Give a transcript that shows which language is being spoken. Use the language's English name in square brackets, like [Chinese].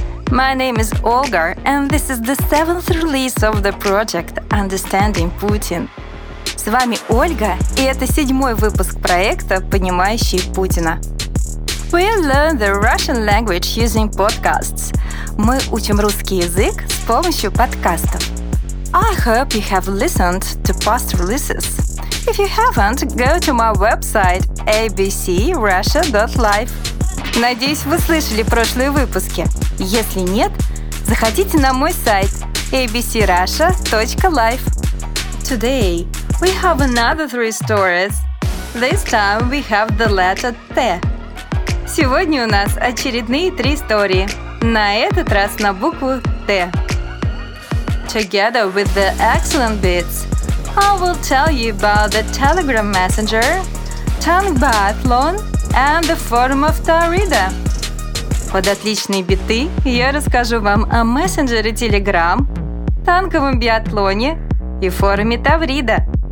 [English] My name is Olga, and this is the 7th release of the project Understanding Putin. [Russian] С вами Ольга, и это 7-й выпуск проекта «Понимающий Путина». [English] We learn the Russian language using podcasts. [Russian] Мы учим русский язык с помощью подкастов. [English] I hope you have listened to past releases. If you haven't, go to my website abcrussia.life. [Russian] Надеюсь, вы слышали прошлые выпуски. Если нет, заходите на мой сайт abcrussia.life. [English] Today we have another three stories. This time we have the letter T. [Russian] Сегодня у нас очередные три истории. На этот раз на букву Т. [English] Together with the excellent bits, I will tell you about the Telegram Messenger, Tank Biathlon and the Forum of Taurida. [Russian] Под отличные биты я расскажу вам о мессенджере Telegram, танковом биатлоне и форуме Таврида.